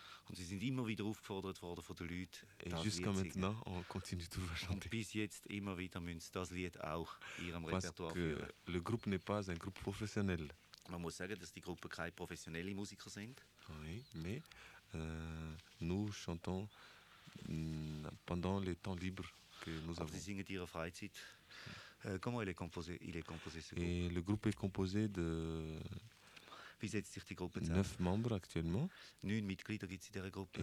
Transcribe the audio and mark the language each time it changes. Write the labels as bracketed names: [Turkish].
[German] Und sie sind immer wieder aufgefordert worden von den Leuten. [French] Et jusqu'à maintenant, on continue toujours à chanter. [German] Und bis jetzt immer wieder müssen sie das Lied auch ihrem Repertoire führen. [French] Le groupe n'est pas un groupe professionnel. [German] Man muss sagen, dass die Gruppe keine professionelle Musiker sind. [French] Oui, mais nous chantons pendant les temps libres que nous avons. [German] Sie singen ihre Freizeit. [French] Comment il est composé ce groupe? Et le groupe est composé de [German] wie setzt sich die Gruppe zusammen? 9 Member [French] actuellement. [German] 9 Mitglieder gibt es in dieser Gruppe.